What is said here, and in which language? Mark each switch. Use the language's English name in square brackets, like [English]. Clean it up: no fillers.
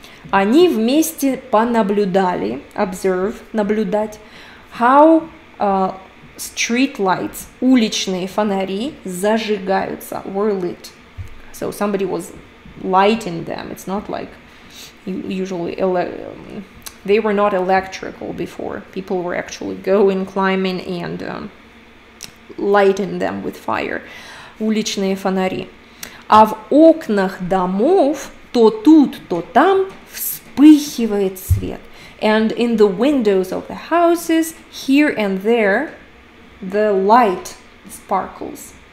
[Russian] Они вместе понаблюдали, [English] observe, [Russian] наблюдать, [English] how street lights, [Russian] уличные фонари, зажигаются, [English] were lit. So somebody was lighting them. It's not like usually, they were not electrical before. People were actually going, climbing, and lighten them with fire. [Russian] Уличные фонари. А в окнах домов то тут, то там вспыхивает свет. [English] And in the windows of the houses, here and there, the light sparkles.